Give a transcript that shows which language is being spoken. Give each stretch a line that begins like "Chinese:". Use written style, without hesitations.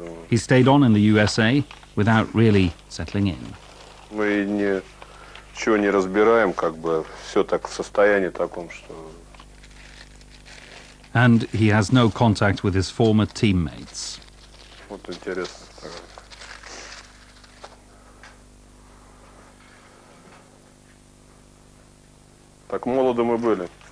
English: He stayed on in the USA without really settling in.
Russian: Мы ничего не разбираем, как бы все так в состоянии таком, что.
English: And he has no contact with his former teammates.
Russian: Вот интересно. Так молоды мы были.